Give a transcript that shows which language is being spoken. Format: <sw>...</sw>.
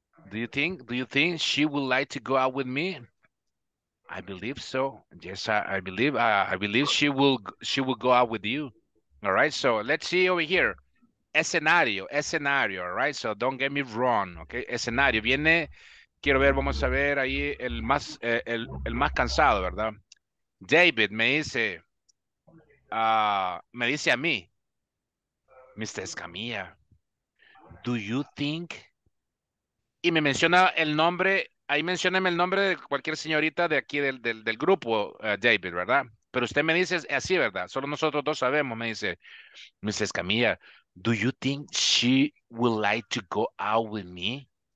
<en>Do you think she would like to go out with me? I believe so. Yes, I believe she will go out with you. All right, so let's see over here. Escenario, all right? So don't get me wrong, okay?</en> <es>Escenario, viene... Quiero ver, vamos a ver ahí el más cansado, ¿verdad? David me dice a mí, Mr.</es> <en>Escamilla, do you think?</en> <es>Y me menciona el nombre, ahí mencioname el nombre de cualquier señorita de aquí del grupo, David, ¿verdad? Pero usted me dice así, ¿verdad? Solo nosotros dos sabemos, me dice, Mr.</es> <en>Escamilla, do you think she would like to go out with me?</en>